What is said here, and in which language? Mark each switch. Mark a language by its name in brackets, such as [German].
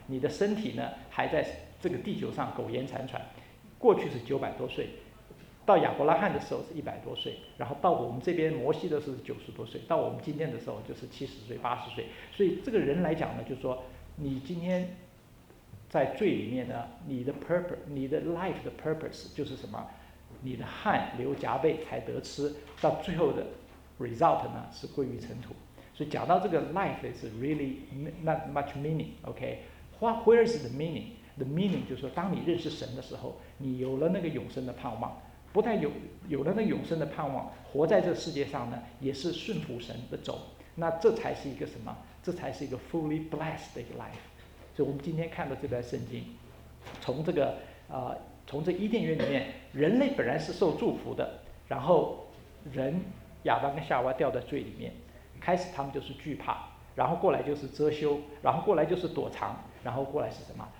[Chinese] 你的身体呢还在这个地球上苟延残喘，过去是900多岁，到亚伯拉罕的时候是100多岁，然后到我们这边摩西的时候是90多岁，到我们今天的时候就是70岁80岁。所以这个人来讲呢，就是说你今天在罪里面呢，你的 purpose， 你的 life 的 purpose 就是什么？你的汗流浃背才得吃，到最后的 result 呢是归于尘土。所以讲到这个 life is really not much meaning， OK。 [English] Where is the meaning? [Chinese] The meaning 就是说，当你认识神的时候，你有了那个永生的盼望，不但有了那个永生的盼望，活在这世界上呢，也是顺服神的走，那这才是一个什么？这才是一个 fully blessed 的一个 life。所以我们今天看到这段圣经，从这个从这伊甸园里面，人类本来是受祝福的，然后人亚当跟夏娃掉在罪里面，开始他们就是惧怕，然后过来就是遮羞，然后过来就是躲藏，然后过来是什么？